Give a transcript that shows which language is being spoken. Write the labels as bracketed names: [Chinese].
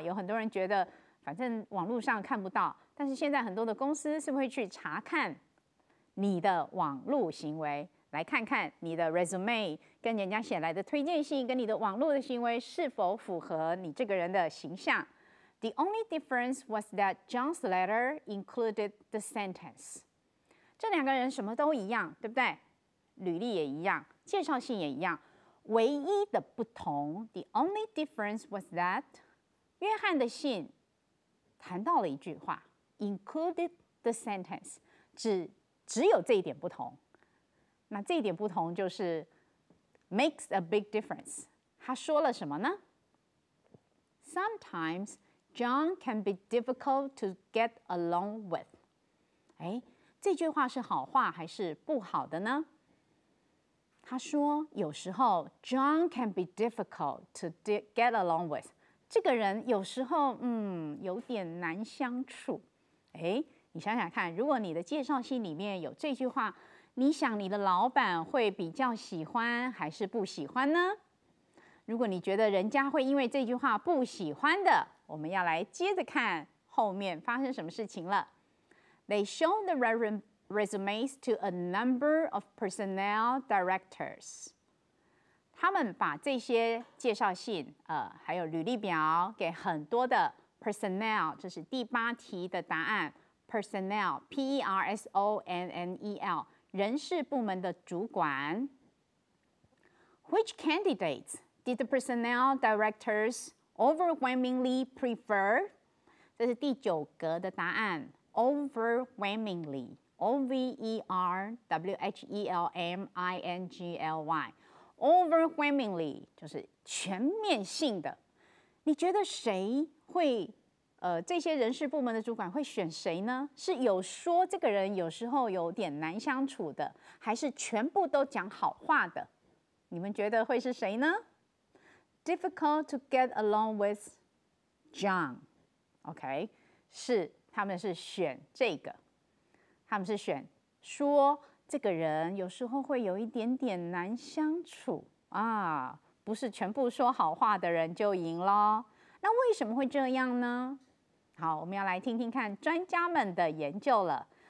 [Chinese] 有很多人觉得反正网络上看不到，但是现在很多的公司是会去查看你的网络行为，来看看你的 resume 跟人家写来的推荐信跟你的网络的行为是否符合你这个人的形象。 [English] The only difference was that John's letter included the sentence。 [Chinese] 这两个人什么都一样，对不对？履历也一样，介绍信也一样。唯一的不同 ， [English] the only difference was that [Chinese] 约翰的信谈到了一句话 ， [English] included the sentence， [Chinese] 只有这一点不同。那这一点不同就是 [English] makes a big difference。 [Chinese] 他说了什么呢 [English] ？Sometimes John can be difficult to get along with。哎。 [Chinese] 这句话是好话还是不好的呢？他说，有时候 [English] John can be difficult to get along with， [Chinese] 这个人有时候有点难相处。哎，你想想看，如果你的介绍信里面有这句话，你想你的老板会比较喜欢还是不喜欢呢？如果你觉得人家会因为这句话不喜欢的，我们要来接着看后面发生什么事情了。 [English] They showed the resumes to a number of personnel directors. [Chinese] 他们把这些介绍信，还有履历表给很多的 personnel， 这是第八题的答案。 Personnel, P-E-R-S-O-N-N-E-L， 人事部门的主管。 [English] Which candidates did the personnel directors overwhelmingly prefer? [Chinese] 这是第九格的答案。Overwhelmingly, O-V-E-R-W-H-E-L-M-I-N-G-L-Y, overwhelmingly 就是全面性的。你觉得谁会，这些人事部门的主管会选谁呢？是有说这个人有时候有点难相处的，还是全部都讲好话的？你们觉得会是谁呢？ [English] Difficult to get along with John, OK, [Chinese] 是。他们是选这个，他们是选说这个人有时候会有一点点难相处啊，不是全部说好话的人就赢了。那为什么会这样呢？好，我们要来听听看专家们的研究了。